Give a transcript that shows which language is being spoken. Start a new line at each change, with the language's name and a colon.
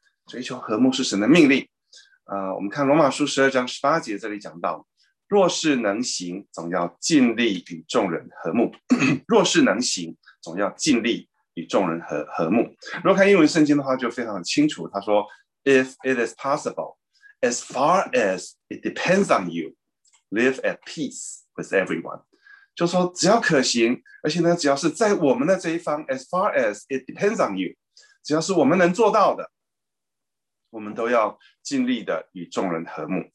Chinese: 追求和睦是神的命令。我们看罗马书十二章十八节，这里讲到，若是能行，总要尽力与众人和睦。若是能行，总要尽力与众人 和睦。如果看英文圣经的话，就非常清楚，他说 ，
English: If it is possible。 As far as it depends on you, live at peace with everyone.
Chinese: 就说只要可行，而且呢，只要是在我们的这一方 ，
English: as far as it depends on you，
Chinese: 只要是我们能做到的，我们都要尽力的与众人和睦。